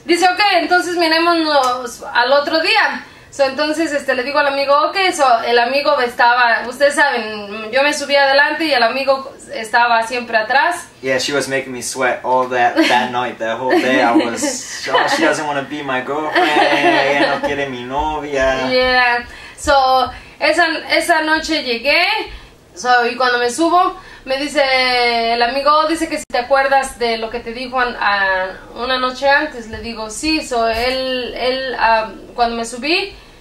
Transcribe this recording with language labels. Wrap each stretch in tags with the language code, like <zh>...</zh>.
<es>Dice, ok, entonces mirémonos al otro día. So, entonces le digo al amigo, ok, so, el amigo estaba, ustedes saben, yo me subí adelante y el amigo estaba siempre atrás.</es> <en>Yeah, she was making me sweat all that night, that whole day. I was, oh, she doesn't want to be my girlfriend,</en> <es>ella no quiere mi novia. Yeah, so esa noche llegué, so, y cuando me subo, me dice el amigo, dice que si te acuerdas de lo que te dijo una noche antes, le digo, sí, so, él cuando me subí,</es>